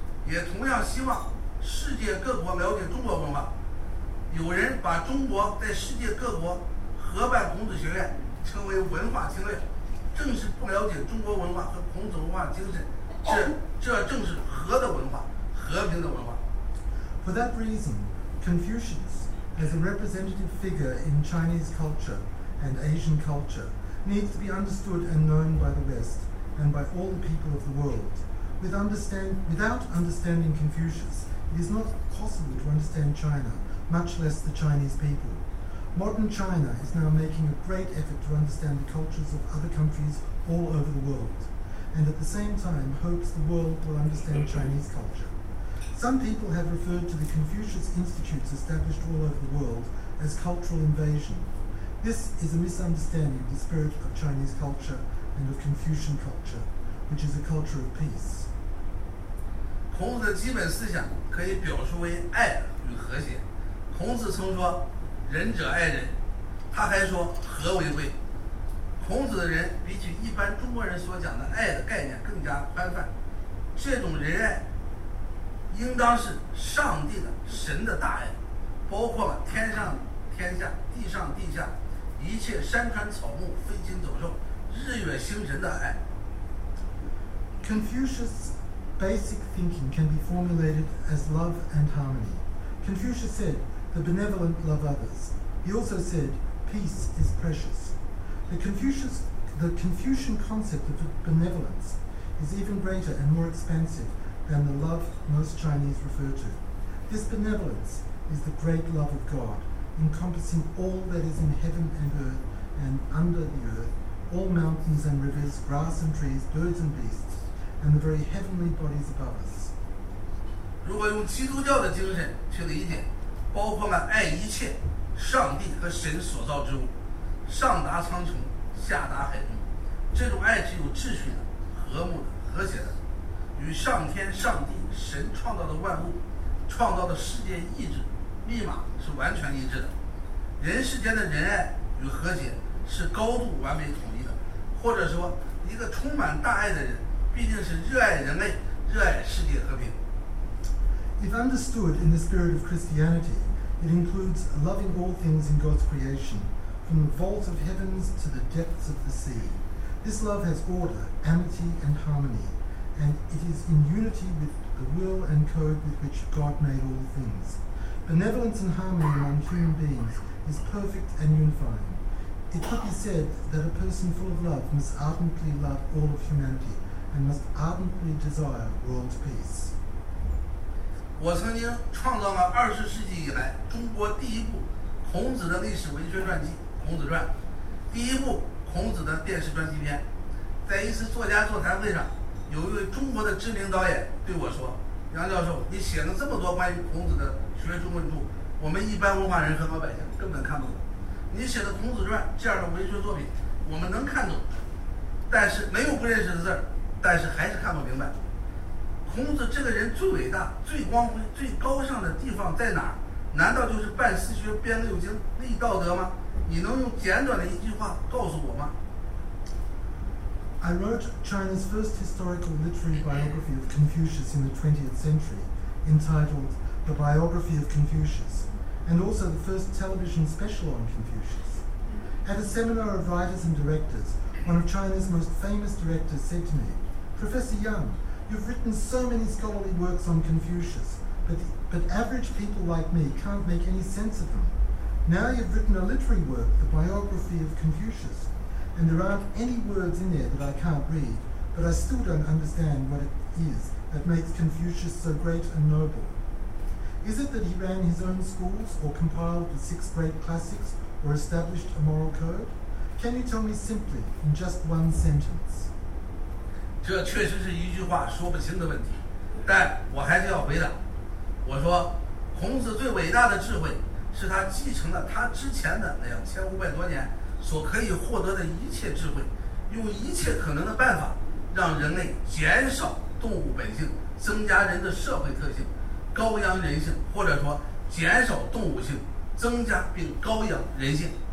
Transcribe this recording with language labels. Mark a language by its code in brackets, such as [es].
[zh] 也同样希望世界各国了解中国文化。有人把中国在世界各国合办孔子学院称为文化侵略，正是不了解中国文化和孔子文化精神。这正是和的文化，和平的文化。 [en] For that reason, Confucius, as a representative figure in Chinese culture and Asian culture, needs to be understood and known by the West and by all the people of the world. Without understanding Confucius, it is not possible to understand China, much less the Chinese people. Modern China is now making a great effort to understand the cultures of other countries all over the world, and at the same time hopes the world will understand Chinese culture. Some people have referred to the Confucius Institutes established all over the world as cultural invasion. This is a misunderstanding of the spirit of Chinese culture and of Confucian culture, which is a culture of peace. [zh] 孔子的基本思想可以表述为爱与和谐。孔子曾说，仁者爱人，他还说和为贵。孔子的仁比起一般中国人所讲的爱的概念更加宽泛，这种仁爱应当是上帝的神的大爱，包括了天上天下、地上地下、一切山川草木、飞禽走兽、日月星辰的爱。 [en] Confucius' basic thinking can be formulated as love and harmony. Confucius said, the benevolent love others. He also said, peace is precious. The Confucian concept of benevolence is even greater and more expansive than the love most Chinese refer to. This benevolence is the great love of God, encompassing all that is in heaven and earth and under the earth, all mountains and rivers, grass and trees, birds and beasts, and the very heavenly bodies above us. [zh] 如果用基督教的精神去理解，包括了爱一切上帝和神所造之物，上达苍穹，下达海中，这种爱是有秩序的、和睦的、和谐的，与上天上帝神创造的万物、创造的世界意志密码是完全一致的。人世间的仁爱与和谐是高度完美统一的，或者说一个充满大爱的人必定是热爱人类、热爱世界和平。 [en] If understood in the spirit of Christianity, it includes loving all things in God's creation, from the vault of heavens to the depths of the sea. This love has order, amity, and harmony, and it is in unity with the will and code with which God made all things. Benevolence and harmony among human beings is perfect and unifying. It could be said that a person full of love must ardently love all of humanity and must ardently desire world peace. [zh] 我曾经创造了20世纪以来中国第一部孔子的历史文学传记《孔子传》，第一部孔子的电视传记片。在一次作家座谈会上，有一位中国的知名导演对我说：“杨教授，你写了这么多关于孔子的学术论著，我们一般文化人和老百姓根本看不懂。你写的《孔子传》这样的文学作品，我们能看懂，但是没有不认识的字儿，但是还是看不明白。” 孔子这个人最伟大、最光辉、最高尚的地方在哪儿？难道就是办私学、编六经、立道德吗？你能用简短的一句话告诉我吗？ [en] I wrote China's first historical literary biography of Confucius in the 20th century, entitled The Biography of Confucius, and also the first television special on Confucius. At a seminar of writers and directors, one of China's most famous directors said to me, Professor Yang,You've written so many scholarly works on Confucius, but average people like me can't make any sense of them. Now you've written a literary work, the biography of Confucius, and there aren't any words in there that I can't read, but I still don't understand what it is that makes Confucius so great and noble. Is it that he ran his own schools, or compiled the 6 great classics, or established a moral code? Can you tell me simply, in just one sentence? [zh] 这确实是一句话说不清的问题，但我还是要回答。我说，孔子最伟大的智慧是他继承了他之前的那样2500多年所可以获得的一切智慧，用一切可能的办法让人类减少动物本性，增加人的社会特性，高扬人性，或者说减少动物性，增加并高扬人性。